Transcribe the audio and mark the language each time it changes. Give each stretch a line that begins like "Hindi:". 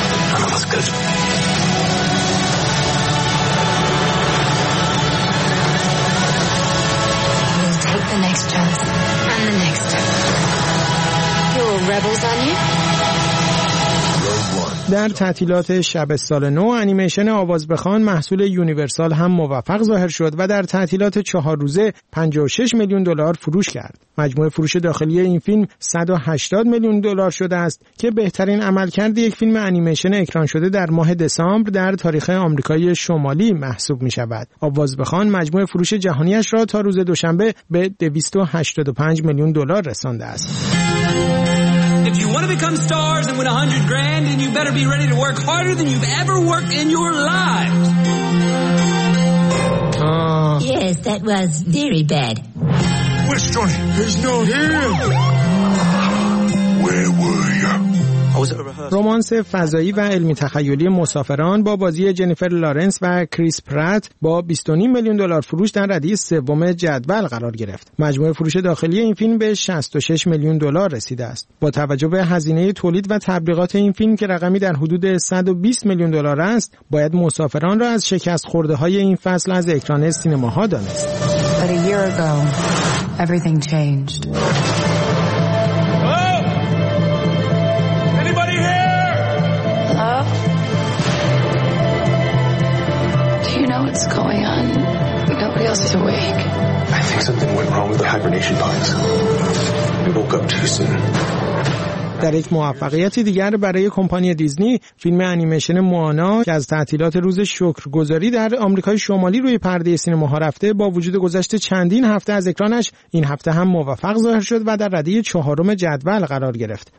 English: None of us could. We'll take the next chance and the next. You're all rebels, aren't you?
Persian: در تعطیلات شب سال نو انیمیشن آواز بخوان محصول یونیورسال هم موفق ظاهر شد و در تعطیلات 4 روزه 56 میلیون دلار فروش کرد. مجموع فروش داخلی این فیلم 180 میلیون دلار شده است که بهترین عملکرد یک فیلم انیمیشن اکران شده در ماه دسامبر در تاریخ آمریکای شمالی محسوب می شود. آواز بخوان مجموع فروش جهانیش را تا روز دوشنبه به 285 میلیون دلار رسانده است.
English: If you want to become stars and win $100,000, then you better be ready to work harder than you've ever worked in your lives. Yes, that was very bad. Where's Johnny? He's not here. Where were you?
Persian: رمانس فضایی و علمی تخیلی مسافران با بازی جنیفر لارنس و کریس پرات با 29 میلیون دلار فروش در ردی سوم جدول قرار گرفت. مجموع فروش داخلی این فیلم به 66 میلیون دلار رسیده است. با توجه به هزینه تولید و تبلیغات این فیلم که رقمی در حدود 120 میلیون دلار است، باید مسافران را از شکست خورده های این فصل از اکران سینماها دانست.
English: I think something went wrong with the hibernation pods. We woke up too soon.
Persian: در یک موفقیت دیگر برای کمپانی دیزنی، فیلم انیمیشن موانا که از تعطیلات روز شکرگزاری در آمریکای شمالی روی پرده سینماها رفته، با وجود گذشت چندین هفته از اکرانش این هفته هم موفق ظاهر شد و در رده چهارم جدول قرار گرفت.